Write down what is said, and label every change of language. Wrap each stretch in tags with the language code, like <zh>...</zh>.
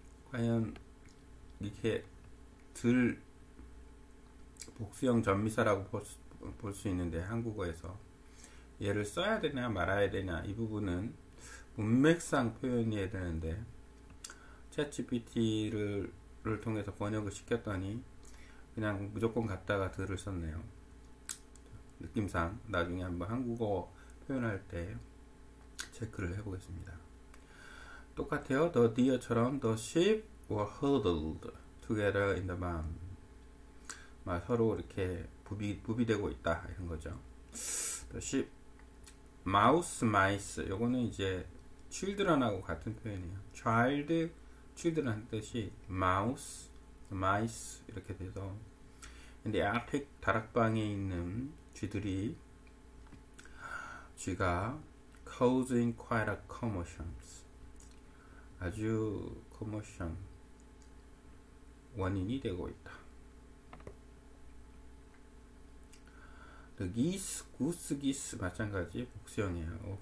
<ko>과연 이렇게 들 복수형 전미사라고 볼수 있는데 한국어에서 얘를 써야 되냐 말아야 되냐 이 부분은 문맥상 표현이어야 되는데 챗GPT를 를 통해서 번역을 시켰더니 그냥 무조건 갖다가 들을 썼네요. 느낌상 나중에 한번 한국어 표현할 때 체크를 해보겠습니다. 똑같아요.</ko> <en>The deer처럼 the sheep were huddled together in the barn.</en> <ko>막 서로 이렇게 부비되고 있다 이런 거죠.</ko> <en>The sheep, mouse, mice.</en> <ko>요거는 이제 children하고 같은 표현이에요.</ko> <en>Child children</en> <ko>한 뜻이</ko> <en>mouse, mice</en> <ko>이렇게 돼서 근데 아틱 다락방에 있는 쥐들이 쥐가</ko> <en>causing quite a commotions</en> <ko>아주 commotion 원인이 되고 있다.</ko> <en>The geese, goose, geese</en> <ko>마찬가지 복수형이에요.</ko>